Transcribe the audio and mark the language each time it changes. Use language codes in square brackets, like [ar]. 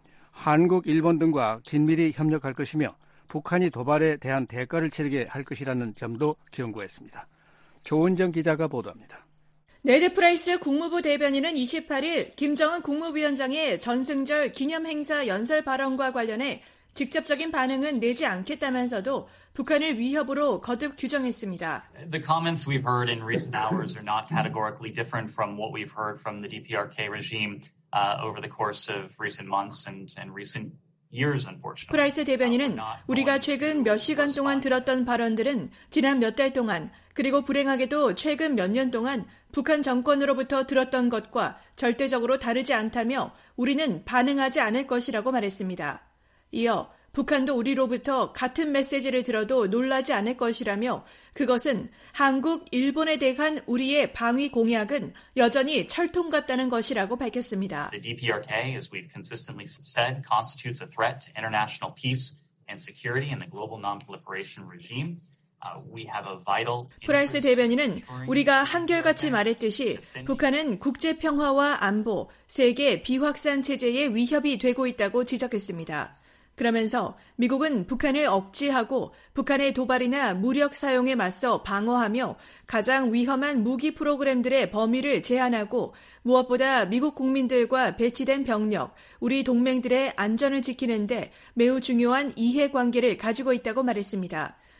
[ko] 한국, 일본 등과 긴밀히 협력할 것이며 북한이 도발에 대한 대가를 치르게 할 것이라는 점도 경고했습니다. 조은정 기자가 보도합니다. 네드 프라이스 국무부 대변인은 28일 김정은 국무위원장의 전승절 기념행사 연설 발언과 관련해 직접적인 반응은 내지 않겠다면서도 북한을 위협으로 거듭 규정했습니다. [en] The comments we've heard in recent hours are not categorically different from what we've heard from the DPRK regime over the course of recent months and recent years, unfortunately. [ko] 프라이스 대변인은 우리가 최근 몇 시간 동안 들었던 발언들은 지난 몇 달 동안 그리고 불행하게도 최근 몇 년 동안 북한 정권으로부터 들었던 것과 절대적으로 다르지 않다며 우리는 반응하지 않을 것이라고 말했습니다. 이어 북한도 우리로부터 같은 메시지를 들어도 놀라지 않을 것이라며 그것은 한국, 일본에 대한 우리의 방위 공약은 여전히 철통 같다는 것이라고 밝혔습니다. [en] The DPRK, as we've consistently said, constitutes a threat to international peace and security and the global non-proliferation regime. We have a vital [ko] 프라이스 대변인은 우리가 한결같이 말했듯이 북한은 국제 평화와 안보, 세계 비확산 체제의 위협이 되고 있다고 지적했습니다. 그러면서 미국은 북한을 억제하고 북한의 도발이나 무력 사용에 맞서 방어하며 가장 위험한 무기 프로그램들의 범위를 제한하고 무엇보다 미국 국민들과 배치된 병력, 우리 동맹들의 안전을 지키는 데 매우 중요한 이해관계를 가지고 있다고 말했습니다.